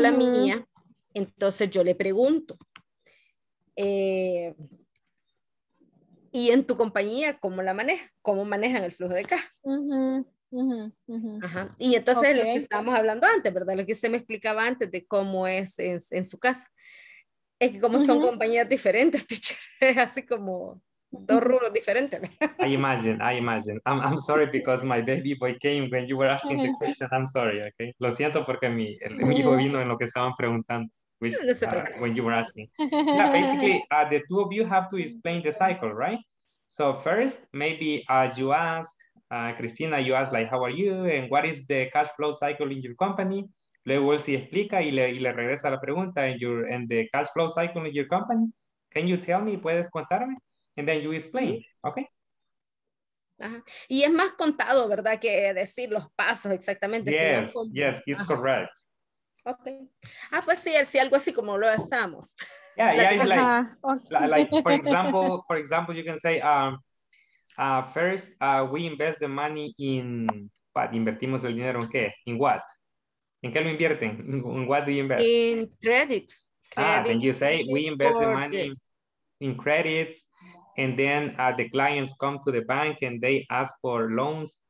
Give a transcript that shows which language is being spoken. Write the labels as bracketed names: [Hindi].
[Spanish] la mía, entonces yo le pregunto. ¿Y en tu compañía cómo la maneja? ¿Cómo manejan el flujo de caja? Mm-hmm. Uh-huh, uh-huh. Ajá. Y entonces okay. Lo que estábamos hablando antes, ¿verdad? Lo que usted me explicaba antes de cómo es en su casa. Es que como uh-huh. son compañías diferentes, teacher, es así como dos rubros diferentes. [English] I imagine. I'm sorry because my baby boy came when you were asking uh-huh. the question. I'm sorry, okay? [Spanish] Lo siento porque mi hijo vino en lo que estaban preguntando. [English] Which, when you were asking. Yeah, basically, the two of you have to explain the cycle, right? So first, maybe as you ask, Cristina, you ask like, how are you? And what is the cash flow cycle in your company? [Spanish] Luego él sí explica y le regresa la pregunta [English] and the cash flow cycle in your company. Can you tell me? [Spanish] ¿Puedes contarme? [English] And then you explain, okay? [Spanish] Ajá. Y es más contado, ¿verdad? Que decir los pasos exactamente. [English] Yes, si no, yes, it's ajá. correct. Okay. [Spanish] Ah, pues sí, así algo así como lo estamos. [English] Yeah, yeah, it's like, okay. Like for example, you can say, First, we invest the money in what? [Spanish] ¿Invertimos el dinero en qué? [English] ¿In what? [Spanish] ¿En qué lo invierten? [English] ¿In what do you invest? In credits. Then you say we invest the money in credits, and then the clients come to the bank and they ask for loans